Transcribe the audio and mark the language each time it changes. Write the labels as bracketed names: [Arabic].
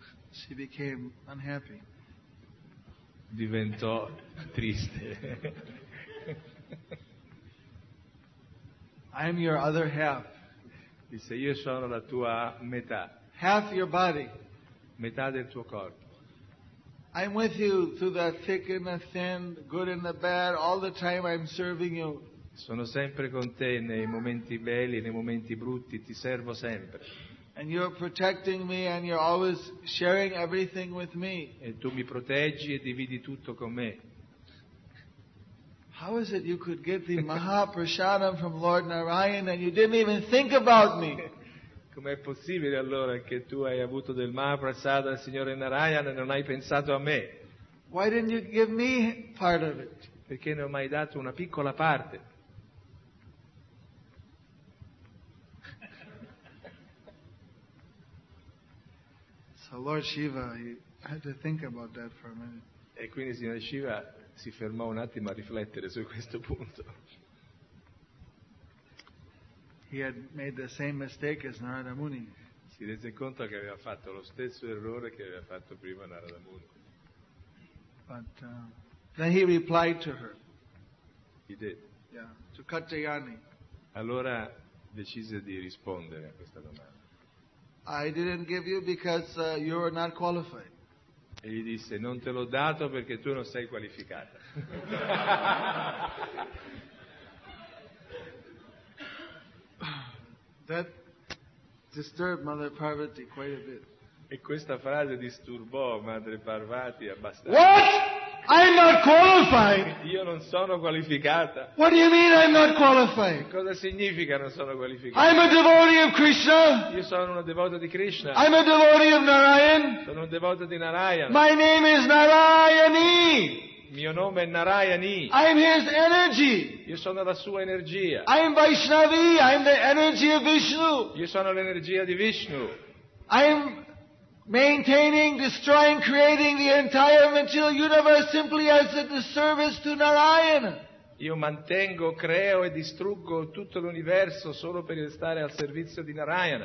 [English] she became unhappy. [Italian] Diventò triste. [English] I am your other half. [Italian] Disse: io sono la tua metà. [English] Half your body. [Italian] Metà del tuo corpo. [English] I'm with you through the thick and the thin, good and the bad, all the time I'm serving you. [Italian] Sono sempre con te nei momenti belli, nei momenti brutti, ti servo sempre. [English] And you're protecting me and you're always sharing everything with me. [Italian] E tu mi proteggi e dividi tutto con me. [English] How is it you could get the Mahaprasadam from Lord Narayana and you didn't even think about me? [Italian] Com'è possibile allora che tu hai avuto del Mahaprasada al Signore Narayana e non hai pensato a me? [English] Why didn't you give me part of it? [Italian] Perché non mi hai dato una piccola parte? [English] So Lord Shiva, you had to think about that for a minute. [Italian] E quindi il Signore Shiva si fermò un attimo a riflettere su questo punto. [English] He had made the same mistake as Narada Muni. [Italian] Si rese conto che aveva fatto lo stesso errore che aveva fatto prima Narada Muni. [English] But then he replied to her. He did. Yeah, to Katayani. [Italian] Allora decise di rispondere a questa domanda. [English] I didn't give you because you were not qualified. [Italian] E gli disse: non te l'ho dato perché tu non sei qualificata. [English] That disturbed Mother Parvati quite a bit. [Italian] E questa frase disturbò Madre Parvati abbastanza. [English] What? I'm not qualified. [Italian] Io non sono qualificata. [English] What do you mean I'm not qualified? [Italian] Cosa significa non sono qualificata? [English] I'm a devotee of Krishna. [Italian] Io sono una devota di Krishna. [English] I'm a devotee of Narayan. [Italian] Sono un devoto di Narayan. [English] My name is Narayani. [Italian] Mio nome è Narayani. [English] I'm his energy. [Italian] Io sono la sua energia. [English] I'm Vaishnavi. I'm the energy of Vishnu. [Italian] Io sono l'energia di Vishnu. [English] I'm maintaining, destroying, creating the entire material universe simply as a disservice to Narayan. [Italian] Io mantengo, creo e distruggo tutto l'universo solo per stare al servizio di Narayan.